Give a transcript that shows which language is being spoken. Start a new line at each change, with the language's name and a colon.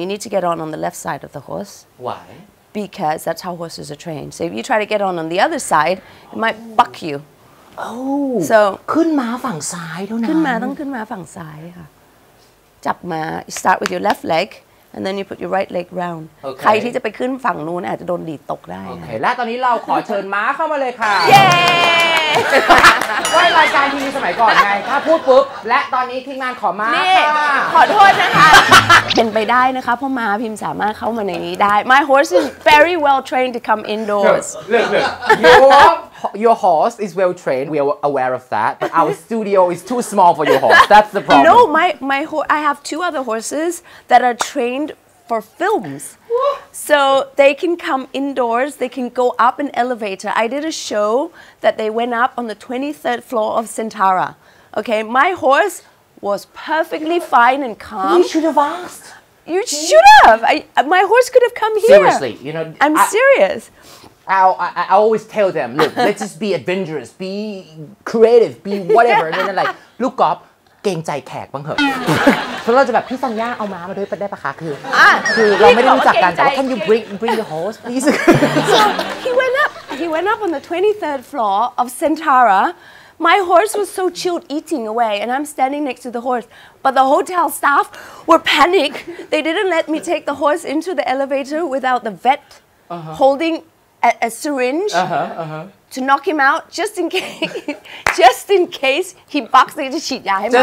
English: You need to get on the left side of the horse. Why? Because that's how horses are trained. So if you try to get on the other side, it might buck you. Oh. So.
Thai: ขึ้นมาฝั่งซ้ายด้วยนะ. จับมา.
English: You start with your left leg, and then you put your right leg round. Okay.
Thai: ใครที่จะไปขึ้นฝั่งนู้นอาจจะโดนดีดตกได้.
English: Okay.
Thai: และตอนนี้เราขอเชิญม้าเข้ามาเลยค่ะ.
English: Yeah.
Thai: ว่ารายการทีวีสมัยก่อนไงถ้าพูดปุ๊บและตอนนี้ทีมงานขอม้าค่ะ. ขอโทษนะคะ. เป็นไปได้นะคะเพราะม้าพิมพ์สามารถเข้ามาในนี้ได้.
English: My horse is very well trained to come indoors. Look, your horse is well trained. We are aware of that, but our studio is too small for your horse. That's the problem. No, I have two other horses that are trained for films. So they can come indoors. They can go up an elevator. I did a show that they went up on the 23rd floor of Centara. Okay, my horse was perfectly fine and calm. You should have asked. You should have. My horse could have come here. Seriously, you know. I'm serious. I always tell them, look, let's just be adventurous, be creative, be whatever. And then they're like, look up,
Thai: เกรงใจแขกบ้างเหอะเพราะเราจะแบบพี่ซันย่าเอาม้ามาด้วยได้ปะคะคือเราไม่ได้รู้จักกันแต่ว่า
English: can you bring your horse please so he went up on the 23rd floor of Centara. My horse was so chilled eating away, and I'm standing next to the horse, but the hotel staff were panic. They didn't let me take the horse into the elevator without the vet holding a syringe to knock him out, just in case he bucks, they just shoot him.